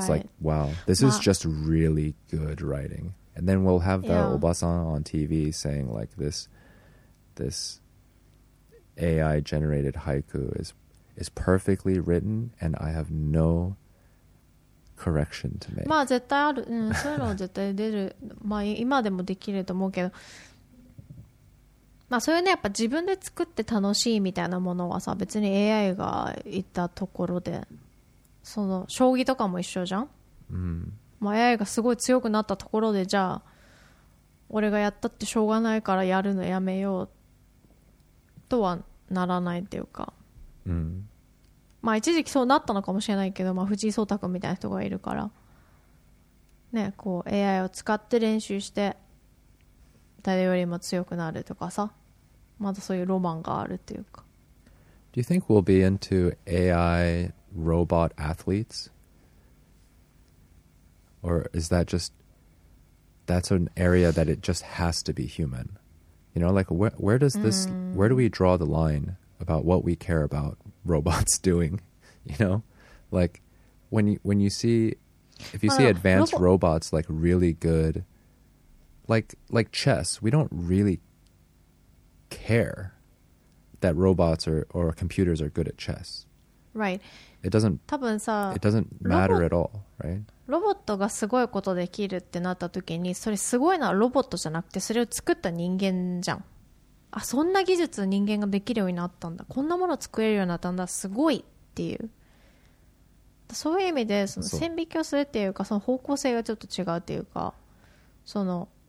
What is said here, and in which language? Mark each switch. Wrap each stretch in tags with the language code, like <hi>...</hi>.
<en>It's like, wow, this is just really good writing. And then we'll have the Obasan on TV saying like this AI generated haiku is perfectly written and I have no correction to make.</en> <ja>まあ絶対ある、そういうのは絶対出る。まあ今でもできると思うけど、まあ、そういうね、やっぱ自分で作って楽しいみたいなものはさ、別に AI がいたところで、その将棋とかも一緒じゃん、うん、まあ、AI がすごい強くなったところで、じゃあ俺がやったってしょうがないからやるのやめようとはならないっていうか、うん、まあ一時期そうなったのかもしれないけど、まあ、藤井聡太君みたいな人がいるからね、こう AI を使って練習して誰よりも強くなるとかさ、まだそういうロマンがあるっていうか。</ja> <en>Do you think we'll be into AI robot athletes? Or is that just, that's an area that it just has to be human? You know, like where does this, where do we draw the line about what we care about robots doing? You know, like when you see advanced robots like really good,Like chess, we don't really care that robots or computers are good at chess. Right. It doesn't,</en> <ja>多分さ、</ja> <en>it doesn't matter at all, right?</en> <ja>ロボットがすごいことできるってなった時に、それすごいのはロボットじゃなくて、それを作った人間じゃん。あ、そんな技術人間ができるようになったんだ、こんなもの作れるようになったんだ、すごいっていう、そういう意味でその線引きをするっていうか、その方向性がちょっと違うっていうか、その</ja>